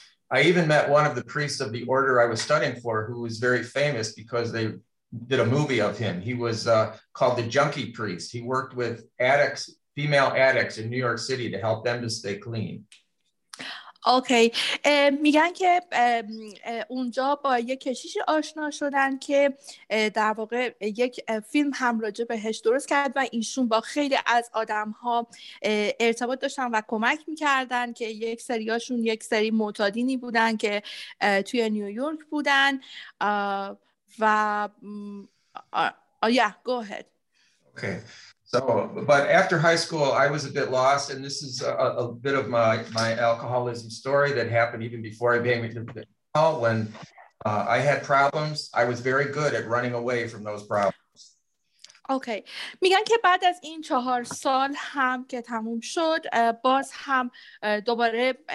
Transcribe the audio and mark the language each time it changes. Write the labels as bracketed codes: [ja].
[en] I even met one of the priests of the order I was studying for who was very famous because they did a movie of him he was called the junkie priest he worked with addicts female addicts in New York City to help them to stay clean. Okay. [fa] میگن که اونجا با یک کشیش آشنا شدن که در واقع یک فیلم هم راجع بهش درست کرد و ایشون با خیلی از آدم‌ها ارتباط داشتن و کمک می‌کردن که یک سریاشون یک سری معتادینی بودن که توی نیویورک بودن و [en] yeah, go ahead. Okay. So, but after high school, I was a bit lost, and this is a bit of my alcoholism story that happened even before I became alcoholic. When I had problems, I was very good at running away from those problems. [fa] Okay, میگن که بعد از این 4 سال هم که تموم شد، باز هم دوباره